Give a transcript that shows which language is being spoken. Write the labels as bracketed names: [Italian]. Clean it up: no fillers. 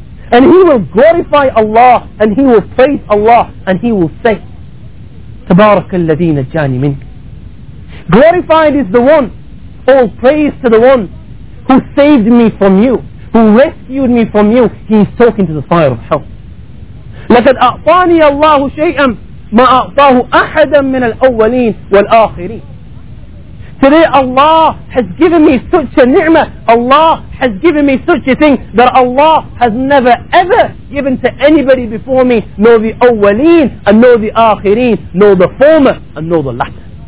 [English] And he will glorify Allah, and he will praise Allah, and he will say, [Arabic] تبارك الذي نجاني منك. [English] Glorified is the one, all praise to the one who saved me from you, who rescued me from you. He is talking to the fire of hell. [Arabic] لقد أعطاني الله شيئا ما أعطاه أحدا من الأولين والآخرين. [English] Today Allah has given me such a ni'mah. Allah has given me such a thing that Allah has never ever given to anybody before me, nor the awwaleen and nor the akhireen, nor the former and nor the latter.